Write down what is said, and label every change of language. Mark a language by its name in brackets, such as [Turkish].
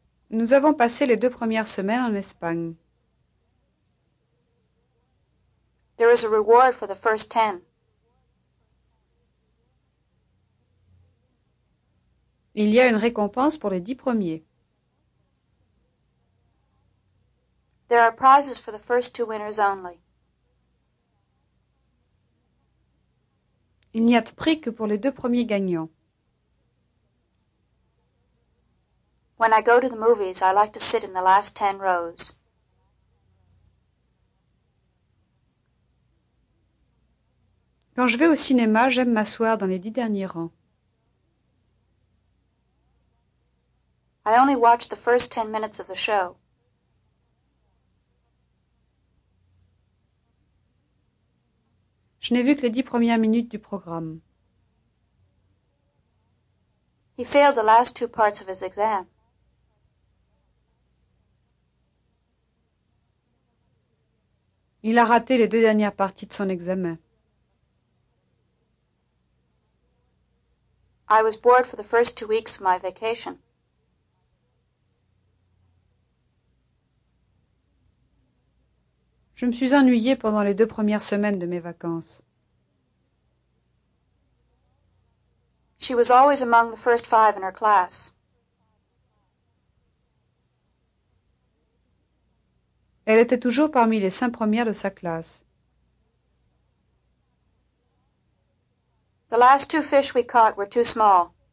[French] Nous avons passé les 2 premières semaines en Espagne. [English] There is a reward for the first 10. [French] Il y a une récompense pour les 10 premiers. [English] There are prizes for the first 2 winners only. [French] Il n'y a de prix que pour les 2 premiers gagnants. [English] When I go to the movies, I like to sit in the last 10 rows. [French] Quand je vais au cinéma, j'aime m'asseoir dans les 10 derniers rangs. [English] I only watch the first 10 minutes of the show. [French] Je n'ai vu que les 10 premières minutes du programme. [English] He failed the last 2 parts of his exam. [French] Il a raté les 2 dernières parties de son examen. [English] I was bored for the first 2 weeks of my vacation. [French] Je me suis ennuyée pendant les 2 premières semaines de mes vacances. [English] She was always among the first five in her class. [French] Elle était toujours parmi les cinq premières de sa classe. [English] The last two fish we caught were too small.